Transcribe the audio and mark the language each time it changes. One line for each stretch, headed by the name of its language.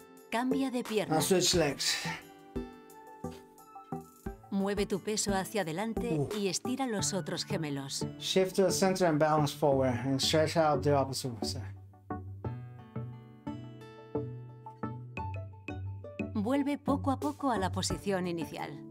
Spanish: Cambia de pierna.
English: I'll switch legs.
Spanish: Mueve tu peso hacia adelante y estira los otros gemelos.
English: Shift to the center and balance forward and stretch out the opposite side.
Spanish: Vuelve poco a poco a la posición inicial.